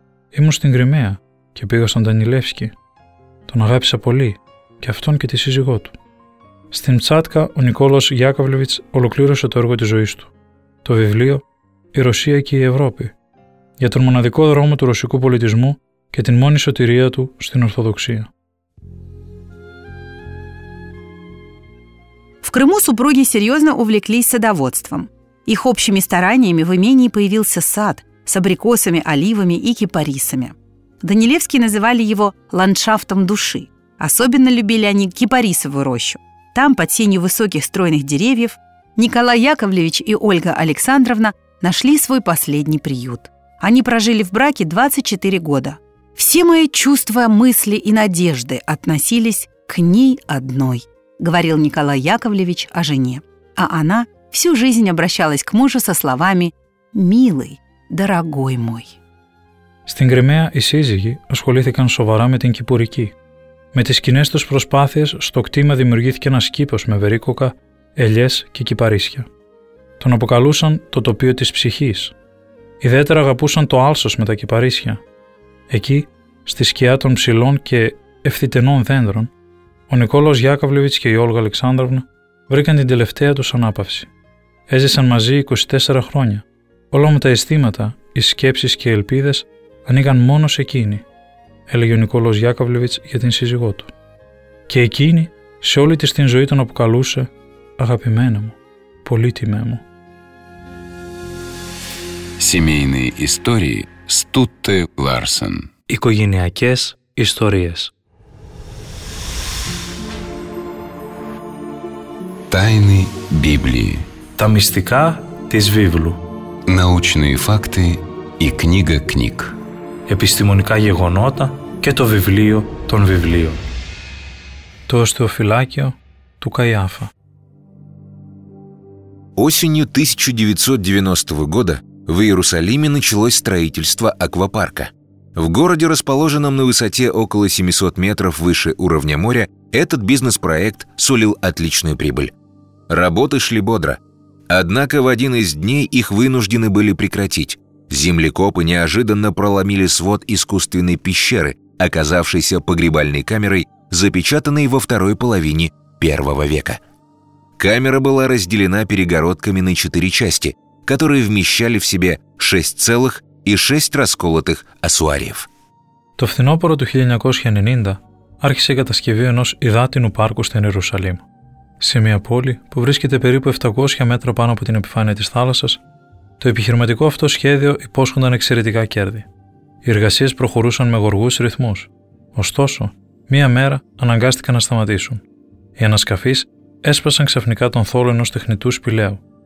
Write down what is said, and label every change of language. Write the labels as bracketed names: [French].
[Greek] «Ήμουν στην Κρυμαία και πήγα στον Ντανιλεύσκη. Τον αγάπησα πολύ, και αυτόν και τη σύζυγό του». Στην Μτσάτκα, ο Νικόλος Γιάκοβλεβιτς ολοκλήρωσε το έργο της ζωής του. Το βιβλίο «Η Ρωσία και η Ευρώπη», για τον μοναδικό δρόμο του ρωσικού πολιτισμού και την μόνη σωτηρία του στην Ορθοδοξία. [Russian] В Крыму супруги серьезно увлеклись садоводством. Их общими стараниями в имении появился сад с абрикосами, оливами и кипарисами. Данилевские называли его «ландшафтом души». Особенно любили они кипарисовую рощу. Там, под сенью высоких стройных деревьев, Николай Яковлевич и Ольга Александровна нашли свой последний приют. Они прожили в браке 24 года. «Все мои чувства, мысли и надежды относились к ней одной», говорил Николай Яковлевич о жене. А она всю жизнь обращалась к мужу со словами «милый, дорогой мой». [Greek] Στην Κρυμαία, οι σύζυγοι ασχολήθηκαν σοβαρά με την κυπουρική. Με τις κοινές τους προσπάθειες, στο κτήμα δημιουργήθηκε ένας κήπος με βερίκοκα, ελιές και κυπαρίσια. Τον αποκαλούσαν το τοπίο της ψυχής. Ιδιαίτερα αγαπούσαν το άλσος με τα κυπαρίσια. Εκεί, στη σκιά των ψηλών και ευθυτενών δέντρων, ο Νικόλαος Γιάκοβλεβιτς και η Όλγα Αλεξάνδρωνα βρήκαν την τελευταία τους ανάπαυση. Έζησαν μαζί 24 χρόνια. Όλα μου τα αισθήματα, οι σκέψεις και οι ελπίδες ανοίγαν μόνο σε εκείνη, έλεγε ο Νικόλαος Γιάκοβλεβιτς για την σύζυγό του. Και εκείνη σε όλη της την ζωή τον αποκαλούσε «αγαπημένα μου, πολύτιμέ μου». [Russian] Семейные истории Стутте Ларсен. [Greek] Οικογενειακές ιστορίες. [Russian] Тайны Библии. [Greek] Τα μυστικά της Βίβλου. [Russian] Научные факты и книга книг. [Greek] Επιστημονικά γεγονότα και το βιβλίο των βιβλίων. Το οστεοφυλάκιο του Καϊάφα. [Russian] Осенью 1990 года в Иерусалиме началось строительство аквапарка. В городе, расположенном на высоте около 700 метров выше уровня моря, этот бизнес-проект сулил отличную прибыль. Работы шли бодро. Однако в один из дней их вынуждены были прекратить. Землекопы неожиданно проломили свод искусственной пещеры, оказавшейся погребальной камерой, запечатанной во второй половине первого века. Камера была разделена перегородками на четыре части, которые вмещали в себе 6,6 расколотых асуариев. [Greek] Το φθινόπωρο του 1990 άρχισε η κατασκευή ενός υδάτινου πάρκου στην Ιερουσαλήμ. Σε μια πόλη που βρίσκεται περίπου 700 μέτρα πάνω από την επιφάνεια της θάλασσας, το επιχειρηματικό αυτό σχέδιο υπόσχονταν εξαιρετικά κέρδη. Οι εργασίες προχωρούσαν με γοργούς ρυθμούς. Ωστόσο, μία μέρα αναγκάστηκαν να σταματήσουν. Οι ανασκαφείς έσπασαν ξαφνικά τον θόλο ενός τεχνητού σπηλαίου.